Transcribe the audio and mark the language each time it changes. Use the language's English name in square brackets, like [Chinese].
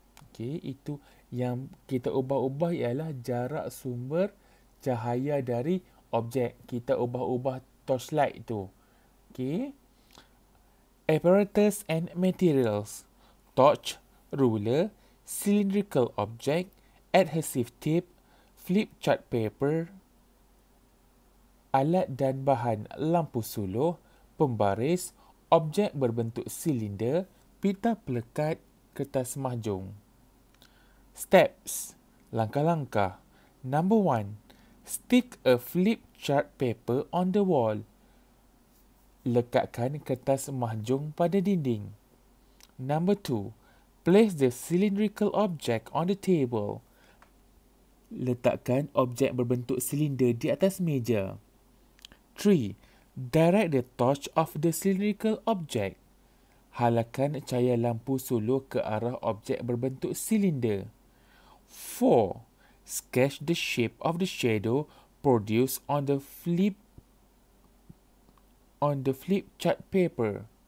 [Malay] Okey, itu yang kita ubah-ubah ialah jarak sumber cahaya dari objek. Kita ubah-ubah torchlight tu. Okey. [English] Apparatus and materials. Torch, ruler, cylindrical object, adhesive tape, flip chart paper, [Malay] alat dan bahan, lampu suluh, pembaris, objek berbentuk silinder, pita pelekat, kertas mahjong. [English] Steps, langkah-langkah. Number 1, stick a flip chart paper on the wall. [Malay] Lekatkan kertas mahjong pada dinding. [English] Number 2, place the cylindrical object on the table. [Malay] Letakkan objek berbentuk silinder di atas meja. [English] 3. Direct the torch of the cylindrical object. [Malay] Halakan cahaya lampu suluh ke arah objek berbentuk silinder. 4. [English] Sketch the shape of the shadow produced on the flip chart paper.